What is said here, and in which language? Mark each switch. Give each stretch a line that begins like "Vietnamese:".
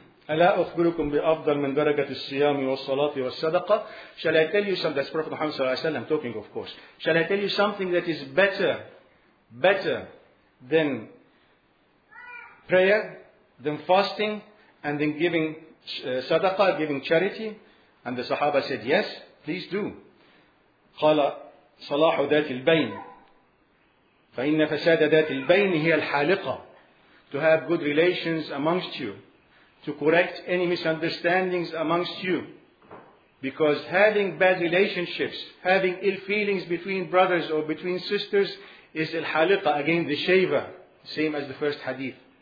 Arabic: ألا أخبركم بأفضل من درجة الصيام والصلاة والصدقة؟
English: Shall I tell you something? That's Prophet Muhammad sallallahu alaihi wasallam talking, of course. Shall I tell you something that is better than prayer, than fasting, and then giving صدقة, giving charity? And the Sahaba said, yes, please do.
Arabic: قال صلاح ذات البين فإن فساد ذات البين هي الحالقة.
English: To have good relations amongst you, to correct any misunderstandings amongst you. Because having bad relationships, having ill feelings between brothers or between sisters, is al-haliqa, again the shaver, same as the first hadith.